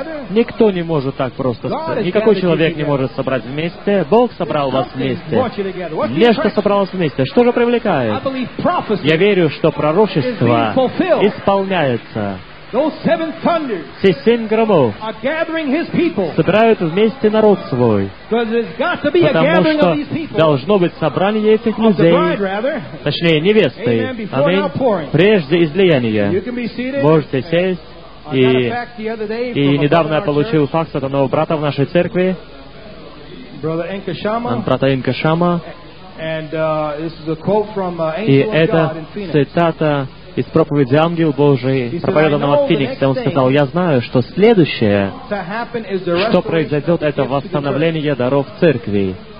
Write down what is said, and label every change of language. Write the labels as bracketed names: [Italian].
[Russian] Никто не может так просто. Никакой человек не может собрать вместе. Бог собрал вас вместе. Нечто собрало вас вместе. Что же привлекает? Я верю, что пророчество исполняется. [English] Those seven thunders are gathering his people. [Russian] Собирают вместе народ свой. [English] Because it's got to be a gathering of these people. [Russian] Должно быть собрание этих людей. Точнее, невесты. Аминь. Прежде излияния. [English] You can be seated. [Russian] Можете сесть. И недавно я получил факс от одного брата в нашей церкви. [English] Brother Enkashama. [Russian] Брата Энкашама. [English] And this is a quote from Angel of God in Phoenix. [Russian] Из проповеди «Ангел Божий», проповеданного в Фениксе, он сказал, «Я знаю, что следующее, что произойдет, это восстановление даров церкви».